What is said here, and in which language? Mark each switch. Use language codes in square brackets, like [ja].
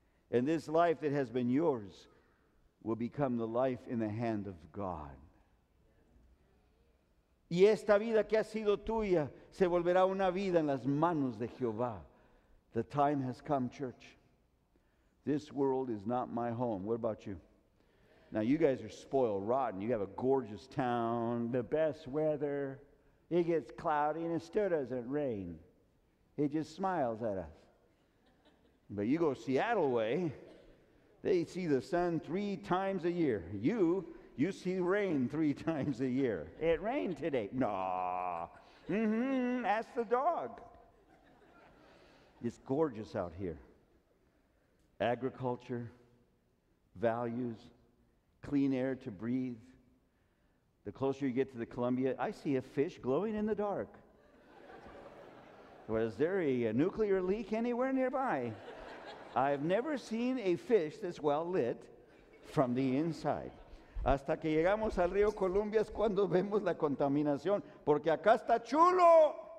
[en] And this life that has been yours will become the life in the hand of God. [es] Y esta vida que ha sido tuya se volverá una vida en las manos de Jehová. [en] The time has come, church. This world is not my home. What about you? Now, you guys are spoiled rotten. You have a gorgeous town, the best weather. It gets cloudy and it still doesn't rain. It just smiles at us. But you go Seattle way, they see the sun three times a year. You see rain three times a year. It rained today. No. Ask the dog. It's gorgeous out here. Agriculture, values, clean air to breathe. The closer you get to the Columbia, I see a fish glowing in the dark. Was there a nuclear leak anywhere nearby? I've never seen a fish this well lit from the inside. [es] Hasta que llegamos al río Columbia es cuando vemos la contaminación, porque acá está chulo.